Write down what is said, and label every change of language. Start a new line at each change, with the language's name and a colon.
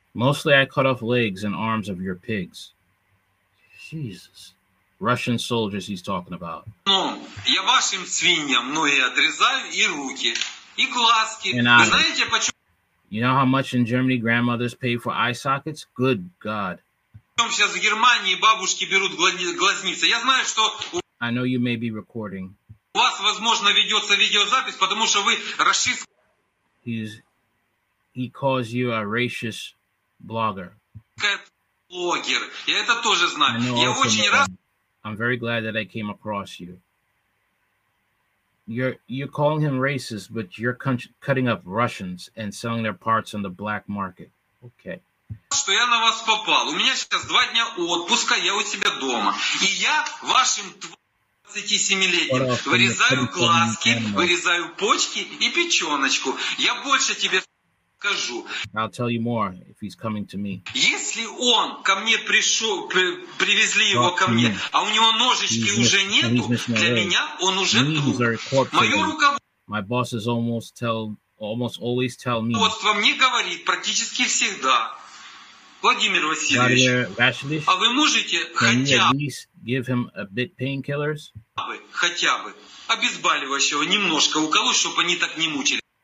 English: Mostly I cut off legs and arms of your pigs. Jesus. Russian soldiers he's talking about.
Russian: Ну, я вашим свиньям ноги отрезаю и руки, и глазки. Знаете, почему?
English: You know how much in Germany grandmothers pay for eye sockets? Good God.
Russian: Сейчас в Германии бабушки берут глазницы. Я знаю, что...
English: I know you may be recording.
Russian: У вас, возможно, ведется видеозапись, потому что вы расист...
English: He calls you a racist blogger.
Russian: Блогер. Я это тоже знаю. Я очень рад...
English: I'm very glad that I came across you. You're calling him racist, but you're cutting up Russians and selling their parts on the black market. Okay.
Russian: Что я на вас попал? У меня сейчас два дня отпуска, я у себя дома. И я вашим 27-летним вырезаю глазки, вырезаю почки и печеночку. Я больше тебе скажу.
English: I'll tell you more if he's coming to me.
Russian: Если он ко мне пришел, привезли его ко мне, а у него ножички уже нету, для меня он уже труп. Мое руководство...
English: My boss is almost always tell me.
Russian: Руководство мне говорит практически всегда. Владимир Васильевич, а вы можете хотя бы обезболивающего немножко уколоть, чтобы они так не мучили?